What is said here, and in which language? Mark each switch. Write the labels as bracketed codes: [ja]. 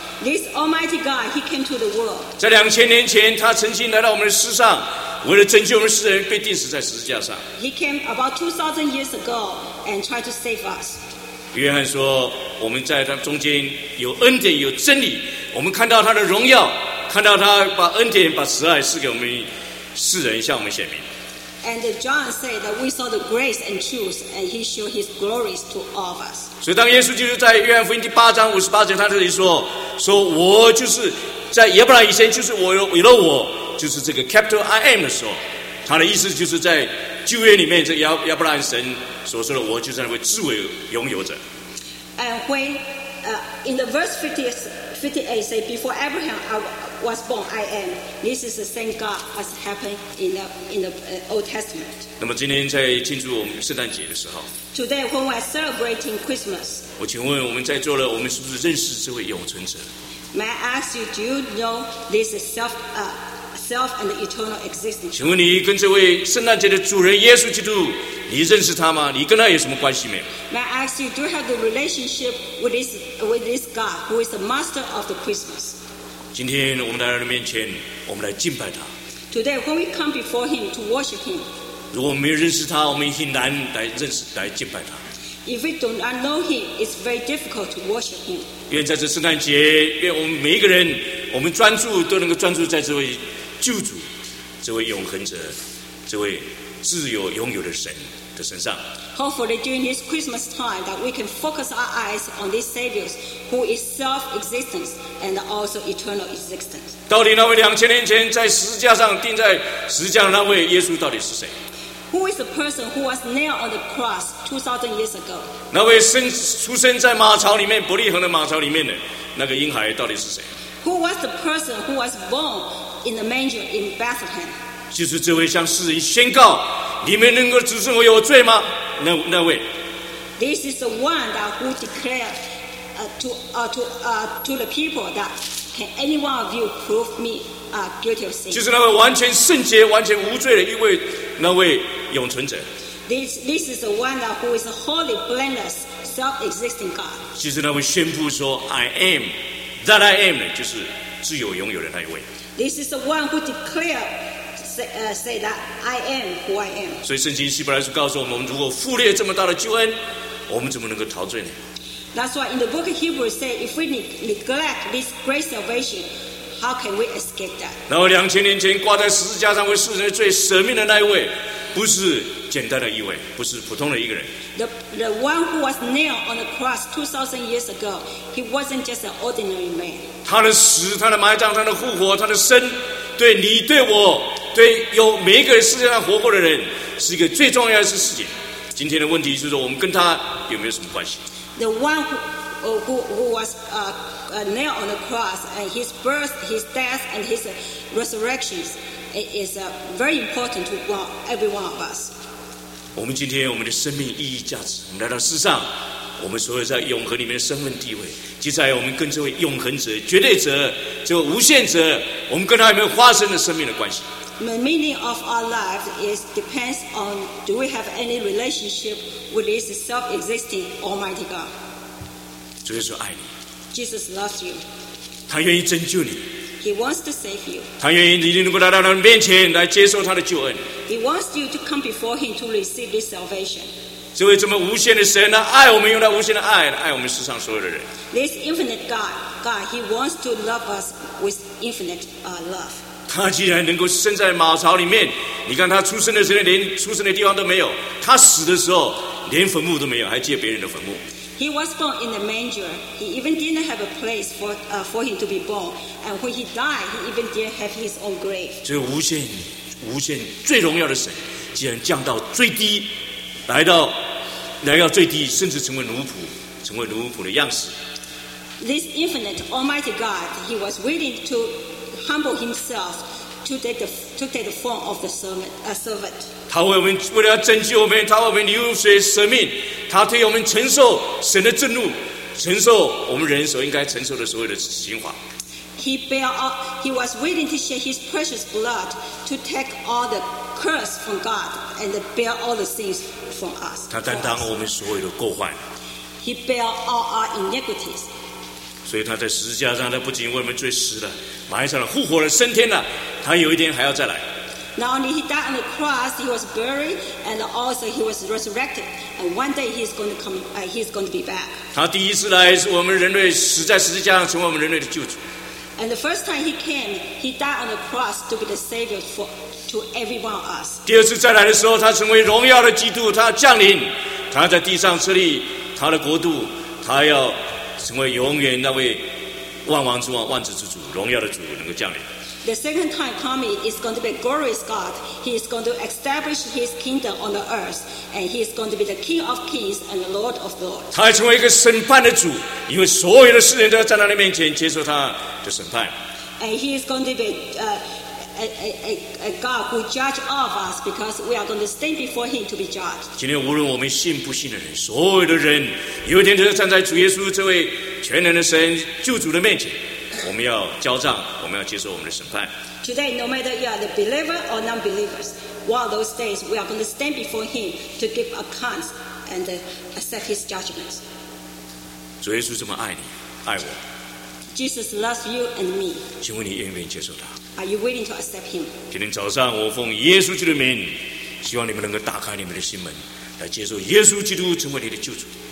[en] This Almighty God, he came to the world. [zh] 在2000年前，他曾经来到我们的世上，为了拯救我们世人，被钉死在十字架上。 [en] He came about 2,000 years ago. And try to save us. [zh] 约翰说，我们在他中间有恩典，有真理。我们看到他的荣耀，看到他把恩典、把慈爱赐给我们世人，向我们显明。 [en] And John said that we saw the grace and truth, and he showed his glories to all of us. [zh] 所以，当耶稣就是在约翰福音第八章58节，他这里说我就是在亚伯拉罕以前，就是我有了我，就是这个 [en] Capital I Am [zh] 的时候，他的意思就是在旧约里面，这亚伯拉罕神。所说的我就是那位至为拥有者。 [en] And when in the verse 58 say before Abraham was born, I am. This is the same God as happened in the Old Testament. [zh] 那么今天在庆祝我们圣诞节的时候 [en] ，Today when we are celebrating Christmas， [zh] 我请问我们在座的，我们是不是认识这位永存者 [en] ？May I ask you, do you know this self and eternal existence？ [zh] 请问你跟这位圣诞节的主人耶稣基督？你认识他吗？你跟他有什么关系没有 [en] ？May I ask you, do you have the relationship with this God who is the master of the Christmas? [zh] 今天我们来到他面前，我们来敬拜他。 [en] Today, when we come before him to worship him, [zh] 如果没有认识他，我们很难来敬拜他。 [en] If we do not know him, it's very difficult to worship him. [zh] 愿在这圣诞节，愿我们每一个人，我们专注都能够专注在这位救主、这位永恒者、这位。自由拥有的神的身上。 [en] Hopefully, during this Christmas time, that we can focus our eyes on this Savior, who is self-existence and also eternal existence. [zh] 到底那位2000年前在十字架上钉在十字架的那位耶稣到底是谁 [en] ？Who is the person who was nailed on the cross 2,000 years ago? [zh] 那位出生在马槽里面，伯利恒的马槽里面的那个婴孩到底是谁 [en] ？Who was the person who was born in the manger in Bethlehem. [zh] 就是这位向世人宣告，你们能够指证我有罪吗？那位。 [en] This is the one that who declared to the people that can any one of you prove me guilty of sin? [zh] 就是那位完全圣洁、完全无罪的一位，那位永存者。 [en] This is the one that who is a holy, blameless, self-existing God. [zh] 就是那位宣布说 [en] I am, that I am [zh] 就是自由拥有的那一位。 [en] This is the one who declared. Say that I am who I am. [zh] 所以圣经希伯来书告诉我们，如果负列这么大的救恩，我们怎么能够陶醉呢？ [en] That's why in the book of Hebrews say, if we neglect this great salvation, how can we escape that? [zh] 然后两千年前挂在十字架上为世人的罪舍命的那一位，不是简单的一位，不是普通的一个人。 [en] The one who was nailed on the cross 2,000 years ago, he wasn't just an ordinary man. [zh] 他的死、他的埋葬、他的复活、他的生，对你、对我。所以有每一个世界上活过的人是一个最重要的事情。今天的问题就是说，我们跟他有没有什么关系 [en] ？The one who was nailed on the cross and his birth, his death, and his resurrections is very important to every one of us. [zh] 我们今天我们的生命意义价值，我们来到世上，我们所有在永恒里面的身份地位，就在我们跟这位永恒者、绝对者、这位无限者，我们跟他有没有发生了生命的关系？ [en] The meaning of our life is depends on do we have any relationship with this self-existing Almighty God. [zh] 主耶稣爱你。 [en] Jesus loves you. [zh] 他愿意拯救你。 [en] He wants to save you. [zh] 他愿意你能够来到他面前来接受他的救恩。 [en] He wants you to come before him to receive this salvation. [zh] 这位这么无限的神呢，爱我们用他无限的爱来爱我们世上所有的人。 [en] This infinite God, he wants to love us with infinite love. [zh] 他既然能够生在马槽里面，你看他出生的时候连出生的地方都没有，他死的时候连坟墓都没有，还借别人的坟墓。 [en] He was born in the manger. He even didn't have a place for him to be born. And when he died, he even didn't have his own grave. [zh] 这无限、无限最荣耀的神，既然降到最低，来到最低，甚至成为奴仆，成为奴仆的样式。 [en] This infinite Almighty God, he was willing to. Humble himself to take the form of the servant. [zh] 他为我们为了拯救我们，他为我们流血舍命，他替我们承受神的震怒，承受我们人所应该承受的所有的刑罚。 [en] He was willing to shed his precious blood to take all the curse from God and bear all the sins from us. [zh] 他担当我们所有的过患。 [en] He bear all our iniquities. [zh] 所以他在十字架上，他不仅为我们罪死了，埋葬了，复活了，升天了，他有一天还要再来。 [en] Not only he died on the cross, he was buried, and also he was resurrected. And one day he's going to come, he's going to be back. [zh] 他第一次来，我们人类死在十字架上，成为我们人类的救主。 [en] And the first time he came, he died on the cross to be the savior to every one of us. [zh] 第二次再来的时候，他成为荣耀的基督，他降临，他在地上设立他的国度，他要。成为永远那位万王之王、万主之主、荣耀的主能够降临。 [en] The second time coming is going to be a glorious God. He is going to establish his kingdom on the earth, and he is going to be the King of kings and the Lord of lords. [zh] 他要成为一个审判的主，因为所有的世人都要站在他面前接受他的审判。 [en] And he is going to be a God who judge all of us because we are going to stand before him to be judged. [zh] 今天无论我们信不信的人，所有的人有一天都要站在主耶稣这位全能的神救主的面前，我们要交账，我们要接受我们的审判。 [en] Today, no matter you are the believer or non-believers, one of those days we are going to stand before him to give accounts and accept his judgments. [zh] 主耶稣这么爱你，爱我。 [en] Jesus loves you and me. [zh] 请问你愿不愿意接受他？ [en] Are you waiting to accept him? [zh] 今天早上，我奉耶稣基督的名，希望你们能够打开你们的心门，来接受耶稣基督成为你的救主。